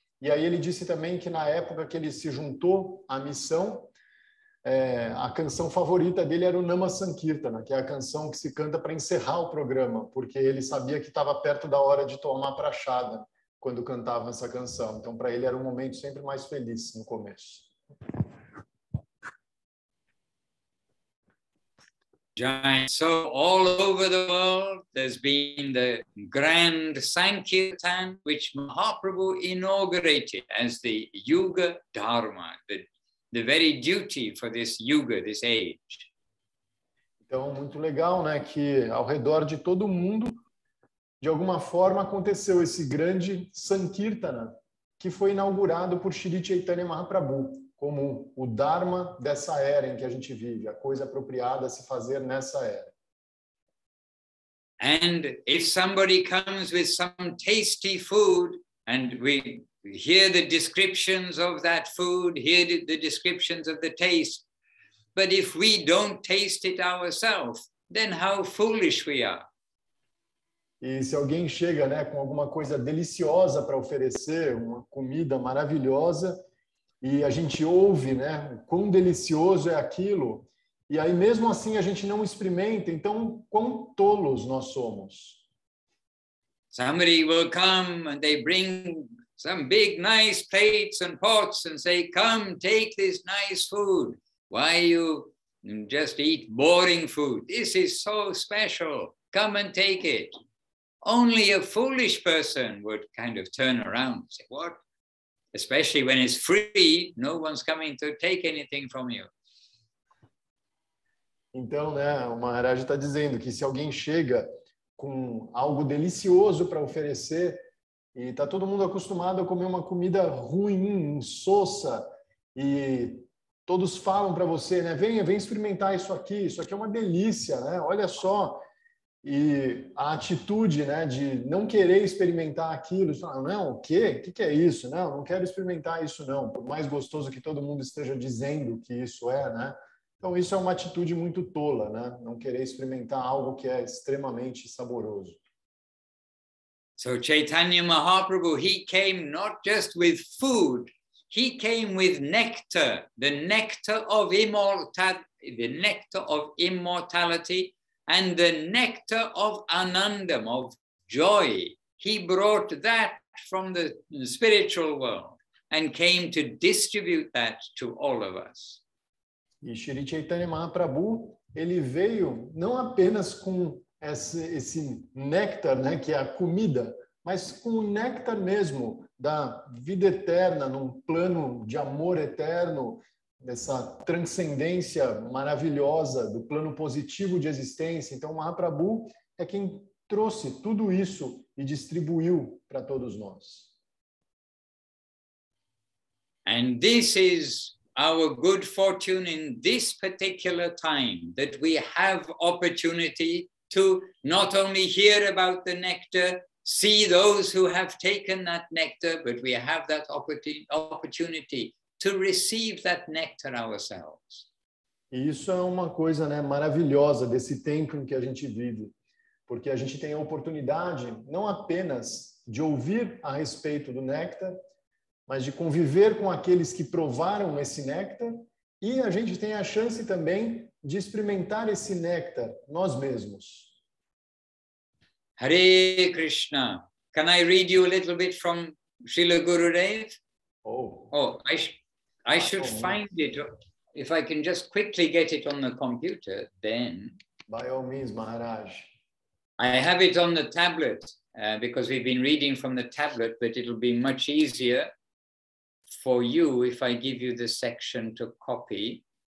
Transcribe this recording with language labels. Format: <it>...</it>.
<pt>E aí ele disse também que na época que ele se juntou à missão, a canção favorita dele era o Nama Sankirtana, que é a canção que se canta para encerrar o programa, porque ele sabia que estava perto da hora de tomar prachada quando cantava essa canção. Então, para ele, era um momento sempre mais feliz no começo.</pt> <en>So, all over the world, there's been the Grand Sankirtan, which Mahaprabhu inaugurated as the Yuga Dharma, the very duty for this yuga, this age.</en> <pt>Então, muito legal, né, que ao redor de todo mundo, de alguma forma, aconteceu esse grande Sankirtana, que foi inaugurado por Sri Chaitanya Mahaprabhu, como o Dharma dessa era em que a gente vive, a coisa apropriada a se fazer nessa era.</pt> <en>And if somebody comes with some tasty food, and we hear the descriptions of that food, hear the descriptions of the taste, but if we don't taste it ourselves, then how foolish we are.</en> <pt>E se alguém chega, né, com alguma coisa deliciosa para oferecer, uma comida maravilhosa, e a gente ouve, né, quão delicioso é aquilo, e aí mesmo assim a gente não experimenta, então quão tolos nós somos.</pt> <en>Somebody will come and they bring some big nice plates and pots and say, come take this nice food. Why you just eat boring food? This is so special. Come and take it. Only a foolish person would kind of turn around and say, what? Especially when it's free, no one's coming to take anything from you.</en> <pt>Então, né, o Maharaj está dizendo que se alguém chega com algo delicioso para oferecer, e está todo mundo acostumado a comer uma comida ruim, insossa, e todos falam para você, né, venha, vem experimentar isso aqui é uma delícia, né, olha só. E a atitude, né, de não querer experimentar aquilo, falar, não, o quê? O que é isso? Não, não quero experimentar isso, não. Por mais gostoso que todo mundo esteja dizendo que isso é, né? Então, isso é uma atitude muito tola, né? Não querer experimentar algo que é extremamente saboroso.</pt> <en>So, Chaitanya Mahaprabhu, he came not just with food, he came with nectar, the nectar of immortality, and the nectar of anandam, of joy. He brought that from the spiritual world and came to distribute that to all of us.</en> <pt>E Shri Chaitanya Mahaprabhu, ele veio não apenas com esse néctar, né, que é a comida, mas com o néctar mesmo da vida eterna, num plano de amor eterno, dessa transcendência maravilhosa do plano positivo de existência. Então, Mahaprabhu é quem trouxe tudo isso e distribuiu para todos nós.</pt> <en>And this is our good fortune in this particular time, that we have opportunity to not only hear about the nectar, see those who have taken that nectar, but we have that opportunity to receive that nectar ourselves.</en> <pt>E isso é uma coisa, né, maravilhosa desse tempo em que a gente vive, porque a gente tem a oportunidade não apenas de ouvir a respeito do néctar, mas de conviver com aqueles que provaram esse néctar, e a gente tem a chance também de experimentar esse néctar nós mesmos.</pt> <en>Hare Krishna. Can I read you a little bit from Srila Gurudev? I should find it. If I can just quickly get it on the computer, then. By all means, Maharaj. I have it on the tablet because we've been reading from the tablet, but it'll be much easier for you if I give you the section to copy.</en>